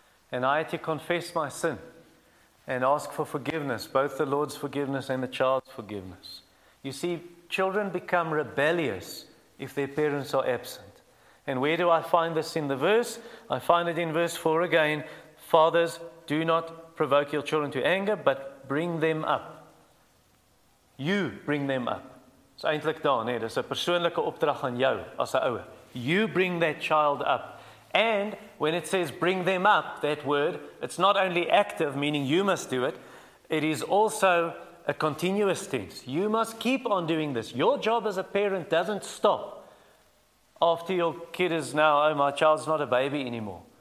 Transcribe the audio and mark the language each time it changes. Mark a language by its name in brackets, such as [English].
[English] And I had to confess my sin and ask for forgiveness, both the Lord's forgiveness and the child's forgiveness. You see, children become rebellious if their parents are absent. And where do I find this in the verse? I find it in verse 4 again. Fathers, do not provoke your children to anger, but bring them up. You bring them up. It's [Afrikaans] eintlik daar, nee, dis 'n persoonlike opdrag aan jou as 'n ouer. [English] You bring that child up. And when it says bring them up, that word, it's not only active, meaning you must do it. It is also a continuous tense. You must keep on doing this. Your job as a parent doesn't stop after your kid is now, oh, my child's not a baby anymore.